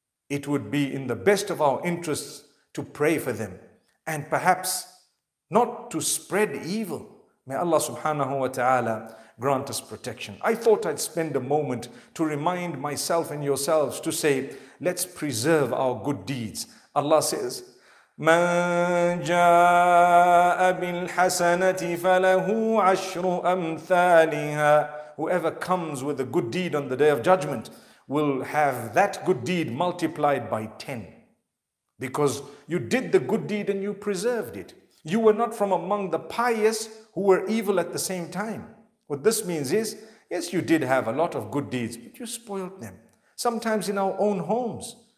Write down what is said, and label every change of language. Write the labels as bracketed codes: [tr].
[en] It would be in the best of our interests to pray for them and perhaps not to spread evil. May Allah subhanahu wa ta'ala grant us protection. I thought I'd spend a moment to remind myself and yourselves to say, let's preserve our good deeds. Allah says, [ar] مَن جَاءَ بِالْحَسَنَةِ فَلَهُ عَشْرُ أَمْثَالِهَا. [en] Whoever comes with a good deed on the day of judgment will have that good deed multiplied by 10. Because you did the good deed and you preserved it. You were not from among the pious who were evil at the same time. What this means is, yes, you did have a lot of good deeds, but you spoiled them. Sometimes in our own homes,